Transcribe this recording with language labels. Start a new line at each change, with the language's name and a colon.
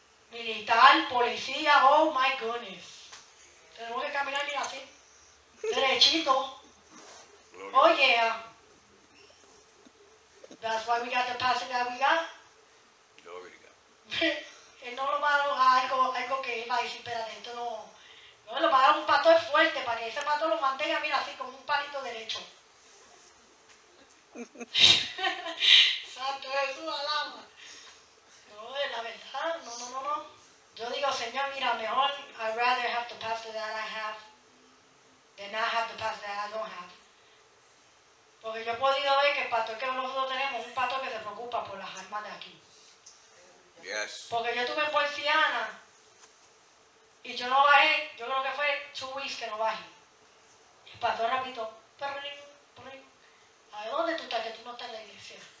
Spanish: Militar, policía,
English: oh my goodness.
Spanish: Tenemos que caminar y así. Derechito.
English: Oh yeah. That's why we got the pastor that we got. Glory to God.
Spanish: Él no lo va a dar algo que él va a decir, espérate, esto no. No, lo va a dar un pastor fuerte para que ese pastor lo mantenga, mira, así como un palito derecho. Santo Jesús, alama. No, es la verdad. No, no, no, no. Yo digo, Señor, mira, mejor
English: I'd rather have the pastor that I have.
Spanish: De nada
English: have the pastor that I don't have.
Spanish: Porque yo he podido ver que el pastor que nosotros tenemos es un pastor que se preocupa por las almas de aquí.
English: Yes.
Spanish: Porque yo estuve en Poinciana y yo no bajé, yo creo que fue
English: 2 weeks
Spanish: que no bajé. El pastor repito, ¿a dónde tú estás que tú no estás en la iglesia?